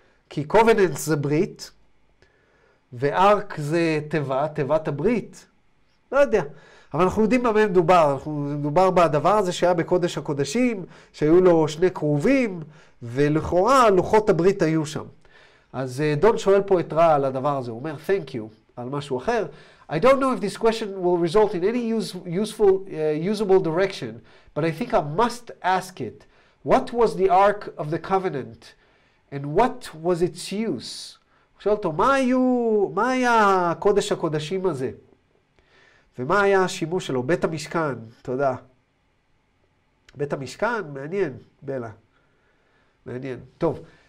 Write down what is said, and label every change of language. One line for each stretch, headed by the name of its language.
Hebrew: כי קובננס זה ברית, וארק זה תיבה, תיבת הברית. לא יודע. אבל אנחנו יודעים במה מדובר. מדובר בדבר הזה שהיה בקודש הקודשים, שהיו לו שני קרובים, ולכאורה לוחות הברית היו שם. אז דון שואל פה את רע על הדבר הזה. הוא אומר,
English: thank you,
Hebrew: על משהו אחר.
English: I don't know if this question will result in any useful, usable direction, but I think I must ask it. What was the Ark of the Covenant? And what was its use?
Hebrew: הוא שואל אותו, מה היה קודש הקודשים הזה? ומה היה השימוש שלו? בית המשכן, תודה. בית המשכן? מעניין, בלה. מעניין, טוב.